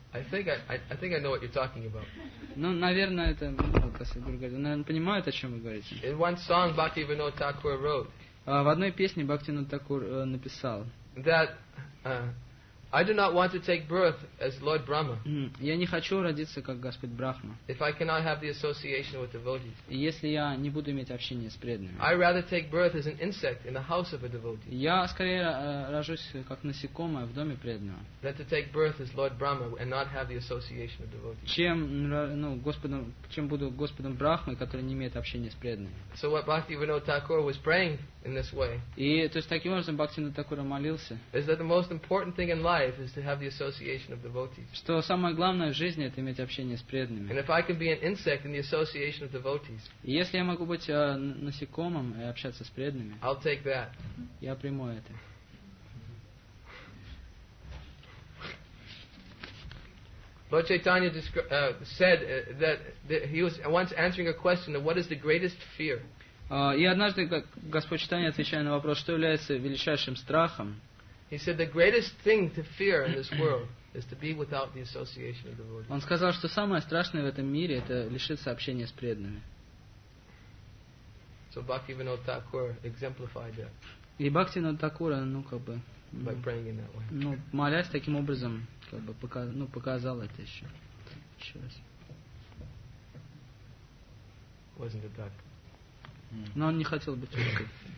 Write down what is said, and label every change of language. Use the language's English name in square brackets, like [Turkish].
[English] I think I know what you're talking about. [Russian] Ну, наверное, это... Наверное, понимают, о чем вы говорите. [English] In one song, Bhaktivinoda Thakur wrote. [Russian] В одной песне Бхактивинода Такур написал. [English] That I do not want to take birth as Lord Brahma. [Russian] Я не хочу родиться как Господь Брахма. [English] If I cannot have the association with devotees. [Russian] И если я не буду иметь общения с преданными. [English] I rather take birth as an insect in the house of a devotee. [Russian] Я скорее рожусь как насекомое в доме преданного. [English] Than to take birth as Lord Brahma and not have the association with devotees. [Russian] Чем буду Господом Брахмой, который не имеет общения с преданными. [English] So what Bhaktivinoda Thakur was praying in this way. [Russian] И то есть таким образом Бхактивинода Такура молился. [English] Is that the most important thing in life? Life is to have the association of devotees. [Russian] Что самое главное в жизни это иметь общение с преданными. [English] And if I can be an insect in the association of devotees. [Russian] Если я могу быть насекомым и общаться с преданными. [English] I'll take that. [Russian] Я приму это. [English] Lord Chaitanya said that he was once answering a question of what is the greatest fear. [Russian] И однажды Господь Чайтанья отвечая на вопрос, что является величайшим страхом. [English] He said the greatest thing to fear in this world is to be without the association of devotees. [Russian] Он сказал, что самое страшное в этом мире это лишиться общения с преданными. [English] So Bhaktivinoda Thakur exemplified that. [Russian] И Бхактивинода Такура, ну как бы, [English] by praying in that way. [Russian] Ну, молясь таким образом, как бы показал это еще. Еще раз. [English] Wasn't it that? [Russian] Но он не хотел быть русским.